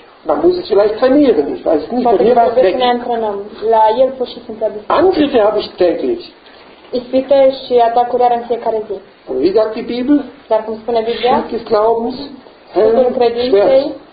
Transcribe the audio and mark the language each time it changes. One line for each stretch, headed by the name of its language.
German: Man muss es vielleicht trainieren, ich weiß nicht, aber hier war es täglich. Angriffe habe ich täglich.
Romanian: Ispite și atacuri are în fiecare zi.
German: Und wie sagt die Bibel?
Romanian: Dar cum spune Biblia?
German: Schild des Glaubens, Helm, Schwert.